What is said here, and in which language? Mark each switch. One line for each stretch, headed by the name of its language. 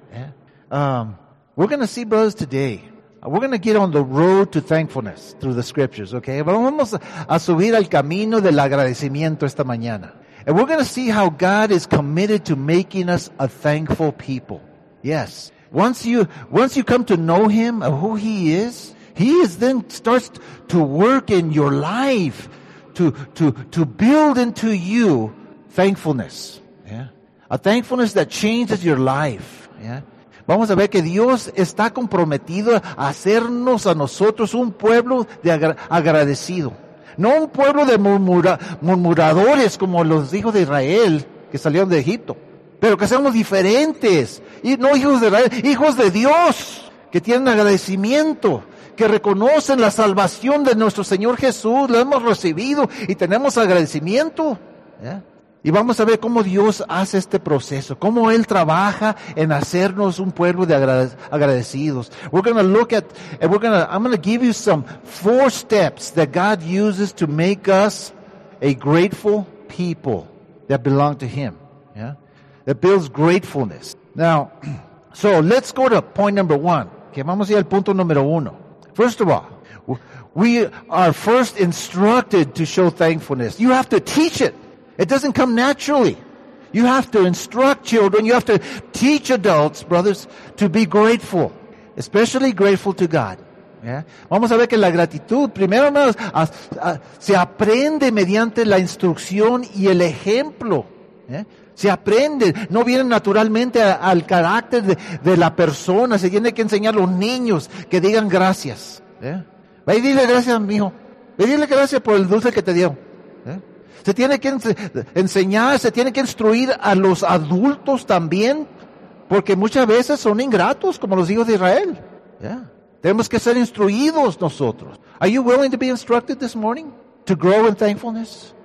English: Yeah. We're going to see, brothers, today. We're going to get on the road to thankfulness through the scriptures, okay?
Spanish: Vamos a subir al camino del agradecimiento esta mañana.
English: And we're going to see how God is committed to making us a thankful people. Yes. Once you come to know Him and who He is, He is then starts to work in your life to build into you thankfulness. Yeah. A thankfulness that changes your life. Yeah.
Spanish: Vamos a ver que Dios está comprometido a hacernos a nosotros un pueblo de agradecido. No un pueblo de murmuradores como los hijos de Israel que salieron de Egipto. Pero que seamos diferentes. Y no hijos de Israel, hijos de Dios. Que tienen agradecimiento. Que reconocen la salvación de nuestro Señor Jesús. Lo hemos recibido y tenemos agradecimiento. ¿Eh? Y vamos a ver cómo Dios hace este proceso, cómo Él trabaja en hacernos un pueblo de agradecidos.
English: I'm going to give you some 4 steps that God uses to make us a grateful people that belong to Him. Yeah? That builds gratefulness. Now, so let's go to point number 1. Okay,
Spanish: vamos a ir al punto número 1.
English: First of all, we are first instructed to show thankfulness. You have to teach it. It doesn't come naturally. You have to instruct children. You have to teach adults, brothers, to be grateful. Especially grateful to God. Yeah?
Spanish: Vamos a ver que la gratitud, primero, hermanos, se aprende mediante la instrucción y el ejemplo. Yeah? Se aprende. No viene naturalmente al carácter de la persona. Se tiene que enseñar a los niños que digan gracias. Yeah? Ve y dile gracias, mijo. Ve y dile gracias por el dulce que te dio. Se tiene que enseñar, se tiene que instruir a los adultos también, porque muchas veces son ingratos, como los hijos de Israel. Yeah. Tenemos que ser instruidos nosotros.
English: Are you willing to be instructed this morning to grow in thankfulness?